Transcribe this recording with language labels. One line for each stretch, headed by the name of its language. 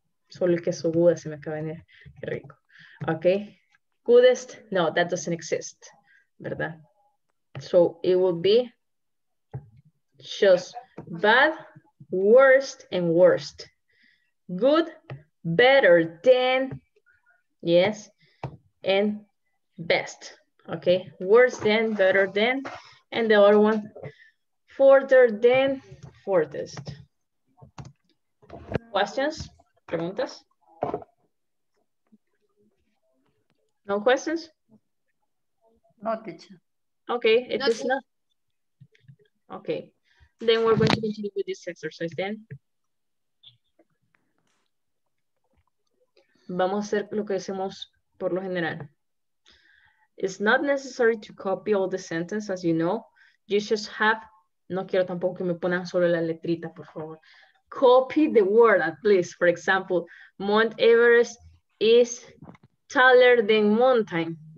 Spanish: Solo el queso gouda se me acaba de venir, qué rico.
English: Okay, goodest, no, that doesn't exist, ¿verdad? So it would be just bad, worst, and worst. Good, better than, yes, and best. Okay, worse than, better than, and the other one, further than, furthest. Questions? Preguntas? No questions? No, teacher. Okay, it is not. Okay. Then we're going to continue with this exercise then.
Spanish: Vamos a hacer lo que hacemos por lo general.
English: It's not necessary to copy all the sentences, as you know. You just have,
Spanish: no quiero tampoco que me pongan solo la letrita, por favor.
English: Copy the word at least. For example, Mount Everest is taller than mountain.